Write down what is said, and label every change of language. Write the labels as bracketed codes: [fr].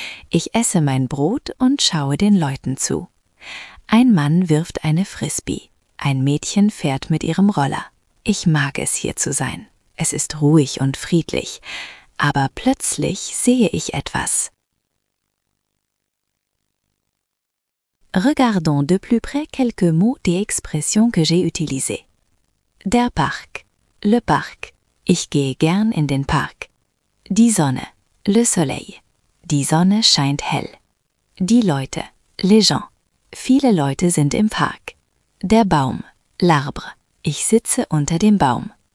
[de] Ich esse mein Brot und schaue den Leuten zu. Ein Mann wirft eine Frisbee. Ein Mädchen fährt mit ihrem Roller. Ich mag es, hier zu sein. Es ist ruhig und friedlich. Aber plötzlich sehe ich etwas. [fr] Regardons de plus près quelques mots des expressions que j'ai utilisées. [de] Der Park. [fr] Le Park. [de] Ich gehe gern in den Park. Die Sonne. [fr] Le Soleil. [de] Die Sonne scheint hell. Die Leute. [fr] Les gens. [de] Viele Leute sind im Park. Der Baum. [fr] L'arbre. [de] Ich sitze unter dem Baum.